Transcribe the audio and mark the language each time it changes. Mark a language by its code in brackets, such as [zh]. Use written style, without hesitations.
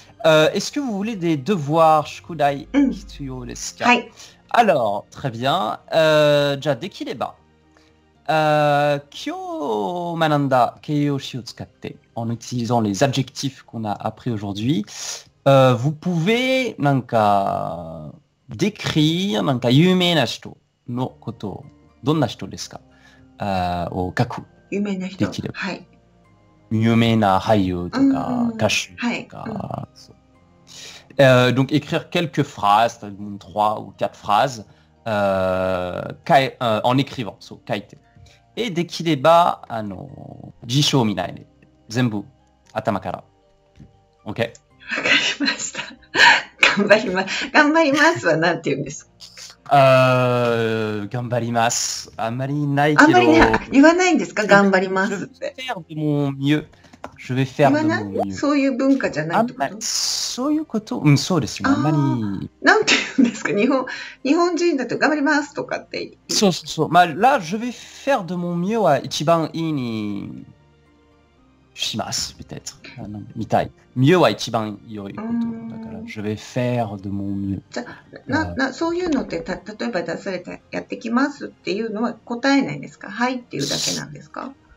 [fr] Est-ce que vous voulez des devoirs, [ja] Shukudai, [fr] Kituyo, Leska? [ja] はい。 [fr] Alors, très bien. [ja] じゃあ、できれば。今日学んだ形容詞を使って、 [fr] en utilisant les adjectifs qu'on a appris aujourd'hui, [ja] vous pouvez, なんか、 [fr] décrire, [ja] なんか、有名な人のことを、どんな人ですか、を書く。有名な人。できれば。はい。有名な俳優とか、歌手とか、はい、そう。 [fr] donc, écrire quelques phrases, 3 ou 4 phrases, en écrivant, [ja] そう、書いて。 [fr] Et [ja] できれば、あの、辞書を見ないで。全部、頭から。OK? わかりました。頑張ります。頑張りますは何て言うんですか頑張ります。あんまりないけど。あんまりない。言わないんですか頑張りますって。 [fr] Je vais faire de mon mieux. Je vais faire de mon mieux. [ja] そういう文化じゃないってこと？あんまり、そういうこと、うん、そうですよ。あんまり。なんて言うんですか日本人だと頑張りますとかって。そうそうそう。まあ、ら、 [fr] je vais faire de mon mieux [ja] は一番いいに、します、 [fr] peut-être。 [ja] みたい。 [fr] mieux [ja] は一番良いこと。だから、 [fr] je vais faire de mon mieux。 [ja] じゃそういうのって、例えば出されたやってきますっていうのは答えないんですかはいっていうだけなんですか